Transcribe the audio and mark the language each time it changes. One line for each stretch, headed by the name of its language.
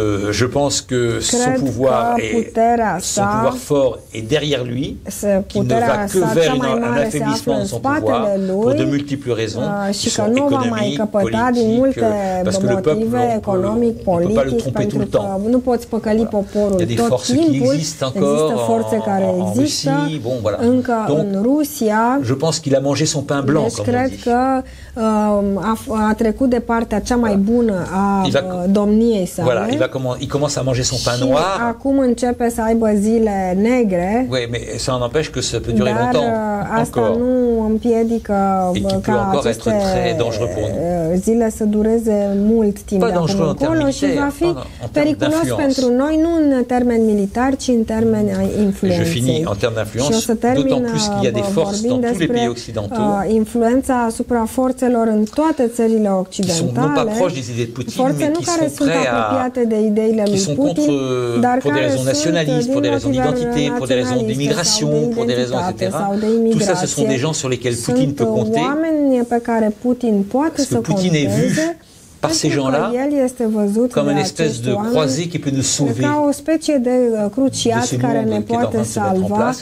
French: Je pense que son pouvoir fort est derrière lui, qui ne va que vers un affaiblissement de son pouvoir pour de multiples raisons, qui sont économiques, politiques, parce que le peuple, on ne peut pas le tromper tout le temps. Voilà. Il y a des forces qui existent encore en Russie. Bon, voilà. Donc, je pense qu'il a mangé son pain blanc, comme on dit.
Romanian: A trecut de partea cea mai bună a domniei sale.
French: Voilà, il commence à manger son pain noir.
Romanian: Și acum începe să aibă zile negre.
French: Oui, mais ça n'empêche que ça peut durer longtemps.
Romanian: Asta nu împiedică ca aceste zile să dureze mult timp.
French: Pas dangereux en termes militaires.
Romanian: Periculos pentru noi, nu în termen militar, ci în termen influenței.
French: Je finis en termes d'influence. D'autant plus qu'il y a des forces dans tous les pays occidentaux.
Romanian: Influența asupra forțelor în toate țările occidentale. Forțe nu care sunt apropiate de ideile lui Putin, dar
French: pour des raisons nationalistes, pour des raisons d'identité, pour des raisons d'immigration, pour des raisons etc. Tout ça, ce sont des gens sur lesquels Putin peut compter.
Romanian: Oameni pe care Putin poate să
French: Putin est vu par ces gens-là comme une espèce de croisée qui peut nous sauver de ce monde qui est en train de se mettre en place,